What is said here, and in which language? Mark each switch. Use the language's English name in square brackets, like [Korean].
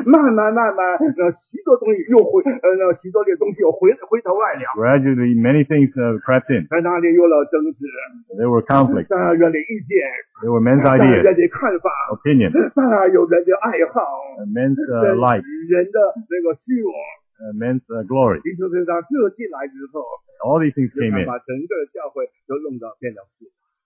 [Chinese] 慢慢慢慢那许多东西又回那许多的东西又回头来了。 [English] Gradually many things crept in. [Chinese] 在那里有了争执。 [English] There were conflicts. [Chinese] 在那里有了意见。 [English] There were men's ideas. [Chinese] 在那里看法。 [English] Opinion. [Chinese] 在那里有人的爱好。 [English] Men's likes. [Chinese] 人的那个虚荣。 [English] Men's glory. [Chinese] 弟兄姊妹，这进来之后。 [English] All these things came in. [Chinese] 把整个教会都弄到变得复杂。